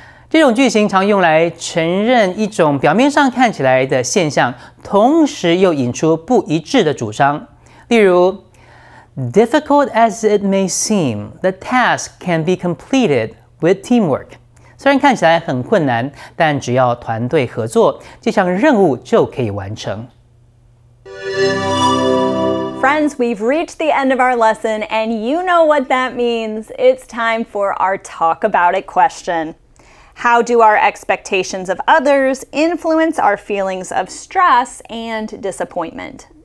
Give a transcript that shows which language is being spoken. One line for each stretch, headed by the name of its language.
Chinese: 这种句型常用来承认一种表面上看起来的现象，同时又引出不一致的主张。例如
English: difficult as it may seem， the task can be completed with teamwork。
Chinese: 虽然看起来很困难，但只要团队合作，这项任务就可以完成。
English: Friends, we've reached the end of our lesson, and you know what that means. It's time for our talk about it question. How do our expectations of others influence our feelings of stress and disappointment?